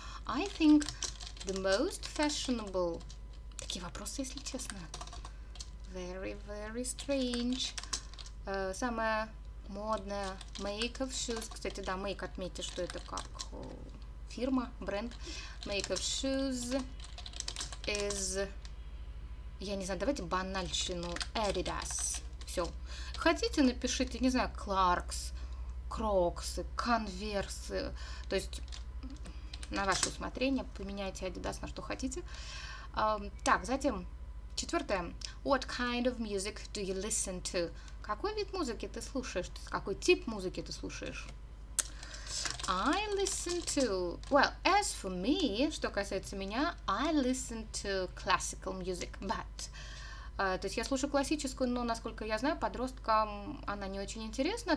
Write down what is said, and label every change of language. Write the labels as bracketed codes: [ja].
[en] I think the most fashionable, [ru] такие вопросы, если честно, [en] very, very strange, [ru] самая модная [en] make of shoes, [ru] кстати, да, make, отметьте, что это как фирма, бренд, [en] make of shoes is, [ru] я не знаю, давайте банальщину, Adidas. Все. Хотите, напишите, не знаю, Clarks, Crocs, Converse. То есть, на ваше усмотрение, поменяйте Adidas на что хотите. Так, затем, четвертое. [en] What kind of music do you listen to? [ru] Какой вид музыки ты слушаешь? Какой тип музыки ты слушаешь? [en] I listen to... Well, as for me, [ru] что касается меня, [en] I listen to classical music, but... [ru] То есть я слушаю классическую, но, насколько я знаю, подросткам она не очень интересна.